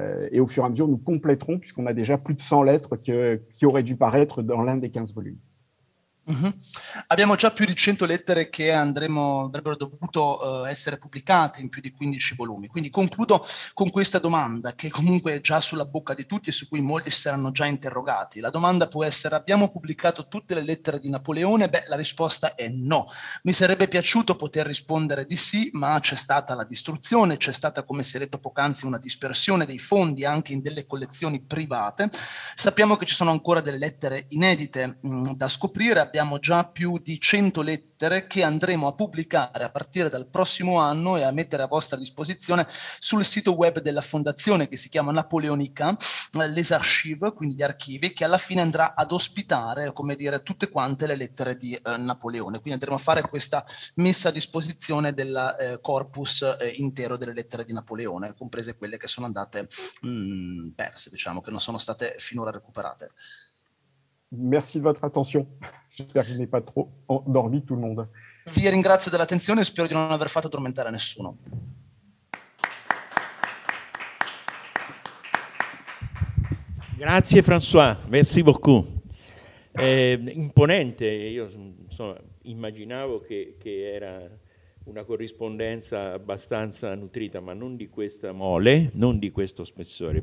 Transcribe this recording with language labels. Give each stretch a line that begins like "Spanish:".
French: et au fur et à mesure, nous compléterons, puisqu'on a déjà plus de 100 lettres qui auraient dû paraître dans l'un des 15 volumes. Mm-hmm.
Italian: Abbiamo già più di 100 lettere che avrebbero dovuto essere pubblicate in più di 15 volumi. Quindi concludo con questa domanda, che comunque è già sulla bocca di tutti e su cui molti si saranno già interrogati. La domanda può essere: abbiamo pubblicato tutte le lettere di Napoleone? Beh, la risposta è no. Mi sarebbe piaciuto poter rispondere di sì, ma c'è stata la distruzione, c'è stata, come si è detto poc'anzi, una dispersione dei fondi anche in delle collezioni private. Sappiamo che ci sono ancora delle lettere inedite da scoprire. Abbiamo già più di 100 lettere che andremo a pubblicare a partire dal prossimo anno e a mettere a vostra disposizione sul sito web della fondazione, che si chiama Napoleonica, les archives, quindi gli archivi, che alla fine andrà ad ospitare, come dire, tutte quante le lettere di Napoleone. Quindi andremo a fare questa messa a disposizione del corpus intero delle lettere di Napoleone, comprese quelle che sono andate perse, diciamo, che non sono state finora recuperate.
French: Merci de votre attention. J'espère que je n'ai pas trop endormi tout le monde.
Italian: Vi ringrazio dell'attenzione e spero di non aver fatto addormentare nessuno.
French: Grazie François, merci beaucoup.
Italian: Imponente, io insomma, immaginavo che era una corrispondenza abbastanza nutrita, ma non di questa mole, non di questo spessore.